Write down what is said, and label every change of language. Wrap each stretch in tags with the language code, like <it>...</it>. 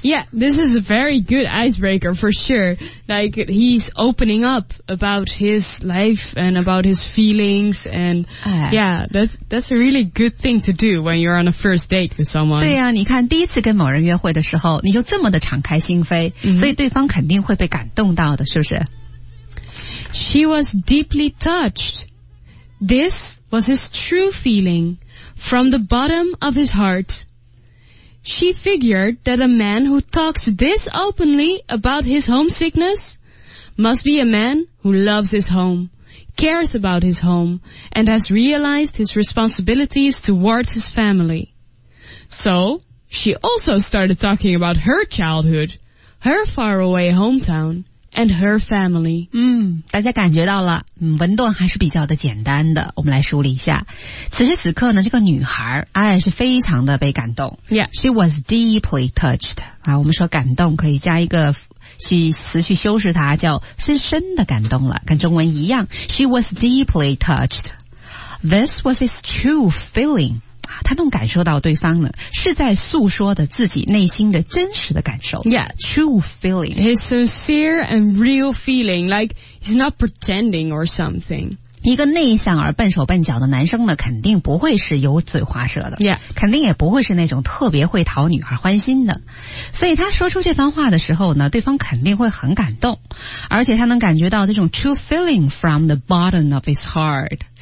<en>Yeah, this is a very good icebreaker for sure. Like he's opening up about his life and about his feelings and yeah, that's a really good thing to do when you're on a first date with someone.</en> <zh>对啊，你看第一次跟某人约会的时候你就这么的敞开心扉、 mm-hmm. 所以对方肯定会被感动到的，是不是？</zh> <en>She was deeply touched. This was his true feeling from the bottom of his heart. She figured that a man who talks this openly about his homesickness must be a man who loves his home, cares about his home, and has realized his responsibilities towards his family. So, she also started talking about her childhood, her faraway hometown. And her family.</en> <zh>嗯，大家感觉到了，嗯，文段还是比较的简单的。我们来梳理一下，此时此刻呢，这个女孩哎是非常的被感动。</zh> <en>Yeah, she was deeply touched.</en> <zh>啊，我们说感动可以加一个去词去修饰它，叫深深的感动了，跟中文一样。</zh> <en>She was deeply touched. This was his true feeling.</en> <zh>啊，她能感受到对方呢是在诉说的自己内心的真实的感受。</zh> <en>Yeah, true feeling. His sincere and real feeling, like he's not pretending or something.</en> <zh>一个内向而笨手笨脚的男生呢，肯定不会是油嘴滑舌的。</zh> <en>Yeah,</en> <zh>肯定也不会是那种特别会讨女孩欢心的。所以他说出这番话的时候呢，对方肯定会很感动，而且他能感觉到这种</zh> <en>true feeling from the bottom of his heart.</en>